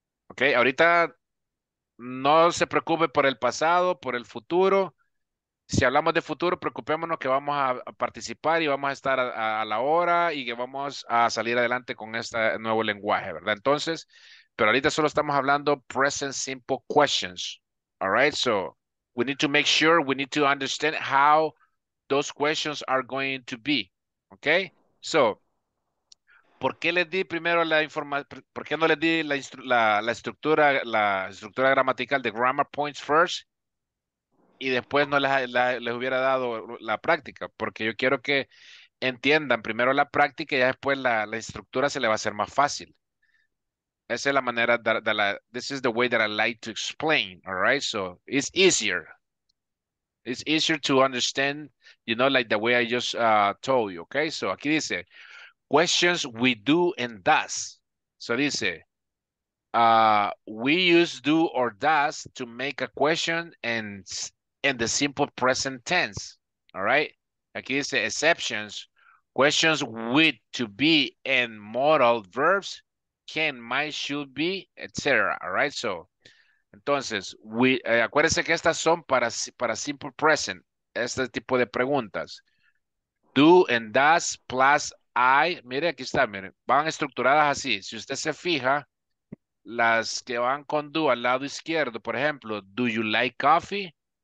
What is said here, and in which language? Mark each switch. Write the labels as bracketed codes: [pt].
[es] Okay, ahorita no se preocupe por el pasado, por el futuro. Si hablamos de futuro, preocupémonos que vamos a participar y vamos a estar a la hora y que vamos a salir adelante con este nuevo lenguaje, ¿verdad? Entonces, pero ahorita solo estamos hablando [en] present simple questions. All right, so we need to make sure, we need to understand how those questions are going to be. [es] Okay, so, ¿por qué les di primero la información? ¿Por qué no les di la estructura gramatical, [en] the grammar points first? [es] y después no les hubiera dado la práctica, porque yo quiero que entiendan primero la práctica y después la estructura se le va a hacer más fácil. Esa es la manera de la, [en] this is the way that I like to explain, all right? So it's easier. It's easier to understand, you know, like the way I just told you, okay? So [es] aquí dice, [en] questions we do and does. So dice, we use do or does to make a question and in the simple present tense, all right? [es] Aquí dice, [en] exceptions, questions with to be and modal verbs, can, might, should be, etc. [es] All right, so, entonces, acuérdense que estas son para simple present, este tipo de preguntas. [en] Do and does plus I, [es] mire, aquí está, mire, van estructuradas así. Si usted se fija, las que van con do al lado izquierdo, por ejemplo, [en] do you like coffee?